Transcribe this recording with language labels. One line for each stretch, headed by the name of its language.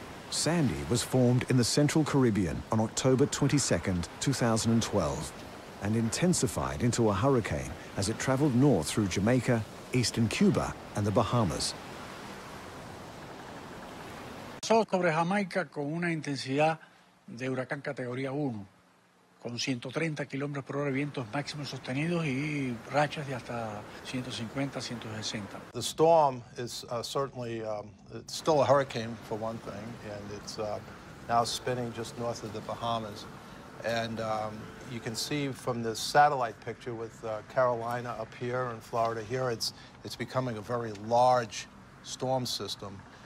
English: Sandy was formed in the Central Caribbean on October 22, 2012, and intensified into a hurricane as it traveled north through Jamaica, eastern Cuba, and the Bahamas.
Spanish: Sobre Jamaica con una intensidad de huracán categoría 1, con 130 kilómetros por hora, vientos máximos sostenidos y rachas de hasta 150-160.
English: The storm is certainly it's still a hurricane for one thing, and it's now spinning just north of the Bahamas. And you can see from the satellite picture with Carolina up here and Florida here, it's becoming a very large storm system.